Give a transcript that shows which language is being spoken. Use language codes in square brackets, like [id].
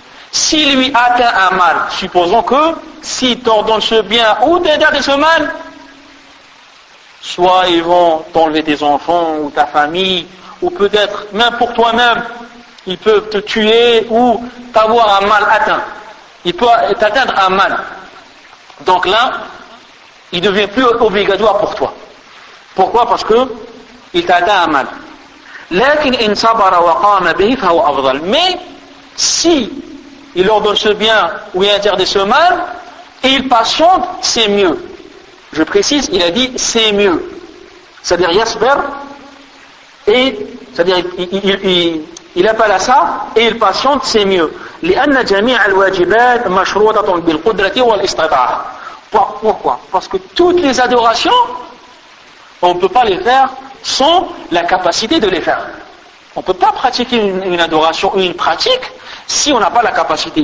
[fr] Si lui atteint un mal, supposons que si tu ordonnes ce bien ou d'interdire ce mal, soit ils vont t'enlever tes enfants ou ta famille, ou peut-être même pour toi-même, ils peuvent te tuer ou t'avoir un mal atteint. Ils peuvent t'atteindre un mal. Donc là, il ne devient plus obligatoire pour toi. Pourquoi? Parce que il t'a atteint un mal. [ar] لكن إن صبر وقام به فهو أفضل. [fr] Mais si il ordonne ce bien ou il interdit ce mal, il patiente, c'est mieux. Je précise, il a dit c'est mieux. C'est-à-dire yasber, et c'est-à-dire il appelle à ça et il patiente, c'est mieux. [ar] لأن جميع الواجبات مشروطة بالقدرة والاستطاعة. [fr] Pourquoi? Parce que toutes les adorations, on ne peut pas les faire sans la capacité de les faire. On ne peut pas pratiquer une adoration ou une pratique si on n'a pas la capacité.